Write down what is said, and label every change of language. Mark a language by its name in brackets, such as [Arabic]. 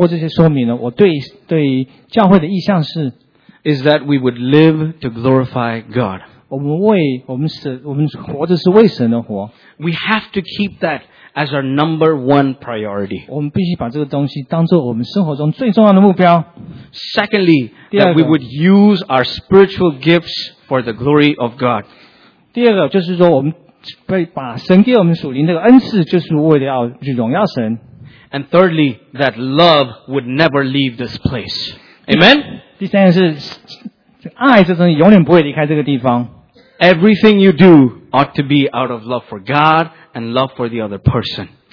[Chinese] 透过这些说明呢，我对教会的意向是 [English] is that we would live to glorify God. [Chinese] 我们活着是为神而活。 [English] We have to keep that as our number one priority. [Chinese] 我们必须把这个东西当做我们生活中最重要的目标。 [English] Secondly, that we would use our spiritual gifts for the glory of God. [Chinese] 第二个就是说，我们被把神给我们属灵这个恩赐，就是为了要去荣耀神。 [English] And thirdly, that love would never leave this place. Amen. [Chinese] 第三个是爱，这东西永远不会离开这个地方。 [English] Everything you do ought to be out of love for God and love for the other person.